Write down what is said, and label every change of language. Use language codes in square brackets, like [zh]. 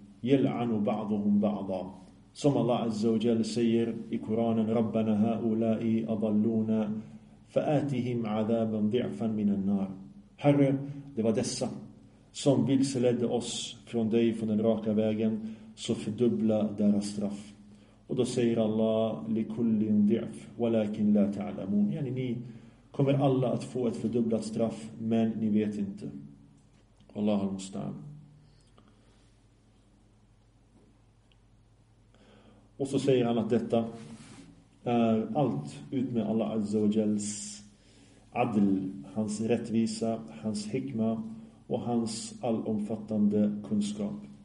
[ar] يَلْعَنُ بَعْضُهُمْ بَعْضًا. Som Allah Azza wa Jal säger i Koranen, رَبَّنَ هَؤُلَاءِ أَضَلُّونَ فَآتِهِمْ عَذَابًا ضِعْفًا مِنَ النَّارِ. [sv] Herre, det var dessa som vilseledde oss från dig, från den raka vägen, så fördubbla deras straff. [ar] Och då säger Allah, لِكُلِّنْ ضِعْف وَلَكِنْ لَا تَعْلَمُونَ. [sv] Yani, ni kommer alla att få ett fördubblat straff, men ni vet inte. Allah al-Musta'an. Och så säger han att detta är allt ut med Allah Azza wa Jals adl, hans rättvisa, hans hikma och hans allomfattande kunskap.